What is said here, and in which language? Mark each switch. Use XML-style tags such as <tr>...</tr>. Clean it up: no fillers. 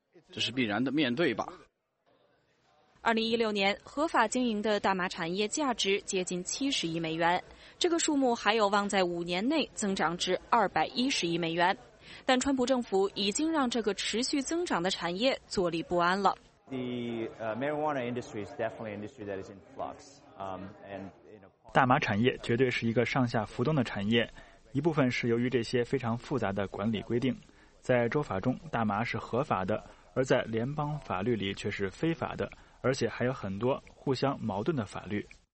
<zh>这是必然的面对吧。 2016年，合法经营的大麻产业价值接近70亿美元，这个数目还有望在5年内增长至210亿美元。但川普政府已经让这个持续增长的产业坐立不安了。</zh> <en>The marijuana industry is definitely an industry that is in flux.</en> <zh>大麻产业绝对是一个上下浮动的产业，一部分是由于这些非常复杂的管理规定，在州法中大麻是合法的，而在联邦法律里却是非法的。而且还有很多互相矛盾的法律。</zh>